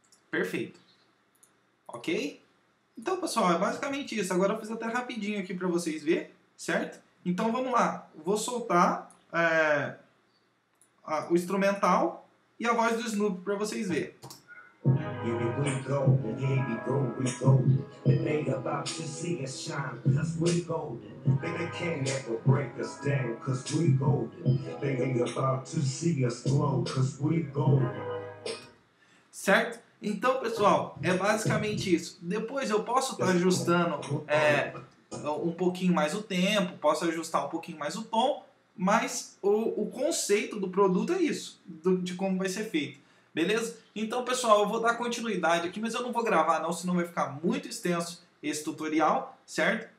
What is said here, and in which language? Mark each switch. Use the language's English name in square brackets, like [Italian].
[Portuguese] Perfeito. Ok? Então, pessoal, é basicamente isso. Agora eu fiz até rapidinho aqui pra vocês verem, certo? Então, vamos lá. Vou soltar o instrumental e a voz do Snoop pra vocês verem. [English] Here we go, baby, go, we go. They about to see us shine, cause we golden. They can't ever break us down, cause we golden. They about to see us glow, cause we golden. [Portuguese] Certo? Então, pessoal, é basicamente isso. Depois eu posso estar ajustando um pouquinho mais o tempo, posso ajustar um pouquinho mais o tom, mas o conceito do produto é isso, de como vai ser feito. Beleza? Então, pessoal, eu vou dar continuidade aqui, mas eu não vou gravar não, senão vai ficar muito extenso esse tutorial, certo?